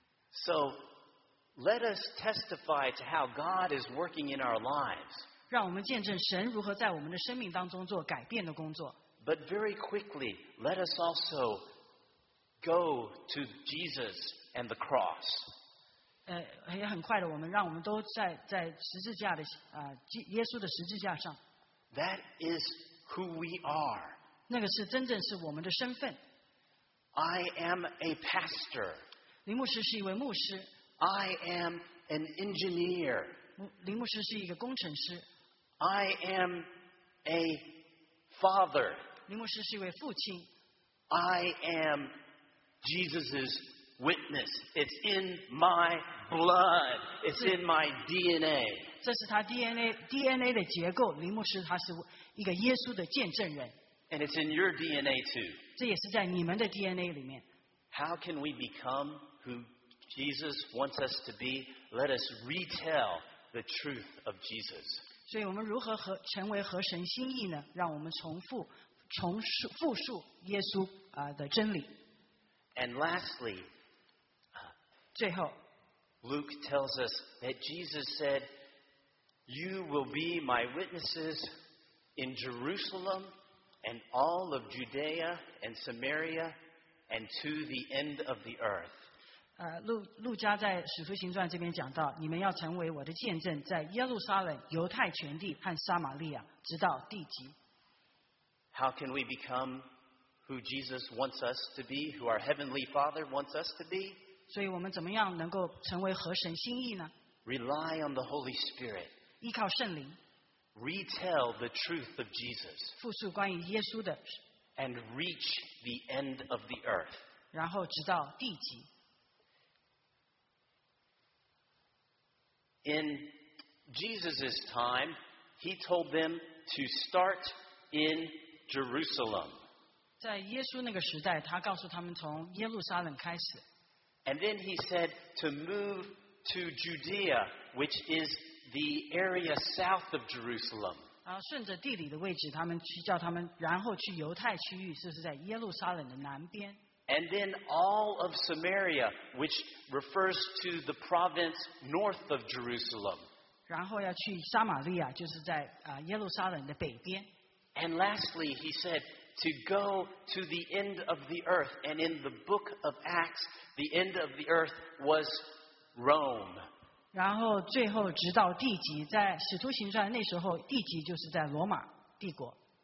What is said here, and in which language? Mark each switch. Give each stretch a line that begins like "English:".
English: So let us testify to how God is working in our lives.
Chinese: 让我们见证神如何在我们的生命当中做改变的工作。
English: But very quickly, let us also go to Jesus and the cross.
Chinese: 也很快的，我们都在十字架的耶稣的十字架上。
English: That is who we are.
Chinese: 那个是真正是我们的身份。
English: I am a pastor.
Chinese: 林牧师是一位牧师。
English: I am an engineer.
Chinese: 林牧师是一个工程师。
English: I am a father.
Chinese: 林牧师是一位父亲。
English: I am Jesus's. Witness. It's in my blood. It's in my DNA.
Chinese: 这是他 DNA 的结构。林牧师他是一个耶稣的见证人。
English: And it's in your DNA too.
Chinese: 这也是在你们的 DNA 里面。
English: How can we become who Jesus wants us to be? Let us retell the truth of Jesus.
Chinese: 所以我们如何成为合神心意呢？让我们重复述耶稣的真理。
English: And lastly,
Chinese: 最后
English: Luke tells us that Jesus said, "You will be my witnesses in Jerusalem and all of Judea and Samaria and to the end of the earth."
Chinese: 路加在使徒行传这边讲到，你们要成为我的见证，在耶路撒冷、犹太全地和撒玛利亚，直到地极。
English: How can we become who Jesus wants us to be, who our heavenly Father wants us to be?
Chinese: 所以我们怎么样能够成为合神心意呢？
English: Rely on the Holy Spirit.
Chinese: 依靠圣灵。
English: Retell the truth of Jesus.
Chinese: 复述关于耶稣的。
English: And reach the end of the earth.
Chinese: 然后直到地极。
English: In Jesus' time, he told them to start in Jerusalem.
Chinese: 在耶稣那个时代，他告诉他们从耶路撒冷开始。
English: And then he said to move to Judea, which is the area south of Jerusalem.
Chinese: 顺着地理的位置，他们去叫他们，然后去犹太区域，就是在耶路撒冷的南边。
English: And then all of Samaria, which refers to the province north of Jerusalem.
Chinese: 然后要去撒玛利亚，就是在耶路撒冷的北边。
English: And lastly, he said. To go to the end of the earth. And in the book of Acts, the end of the earth was Rome.
Chinese: 然后最后直到地极，在使徒行传那时候，地极就是在罗马帝国。